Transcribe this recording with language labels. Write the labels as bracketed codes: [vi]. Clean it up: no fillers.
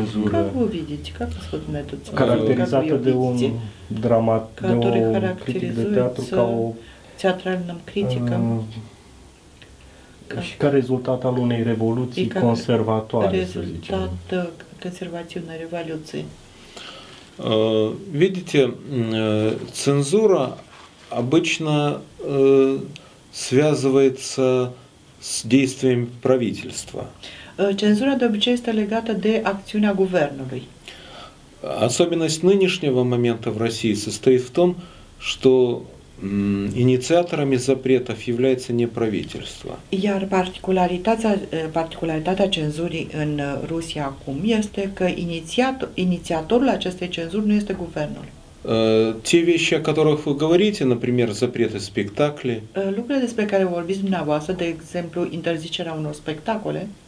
[ru] Как вы видите, как вы смотрите? [ro] Характеризата de un dramat, de un critic de teatru, ca o teatralnă critică. Și ca rezultat al unei revoluții conservatoare, să zicem. [ru] Консервативной революции. Видите, цензура обычно связывается с действием правительства. [ro] Cenzura de obicei este legată de acțiunea guvernului. [ru] Особенность нынешнего момента в России состоит в том, что инициаторами запретов является не правительство. [ro] Iar particularitatea cenzurii în Rusia acum este că inițiatorul acestei cenzuri nu este guvernul. [ru] Те вещи, о которых вы говорите, например, запреты спектаклей. [ro] Lucrurile despre care vorbiți dumneavoastră, de exemplu, interzicerea unor spectacole,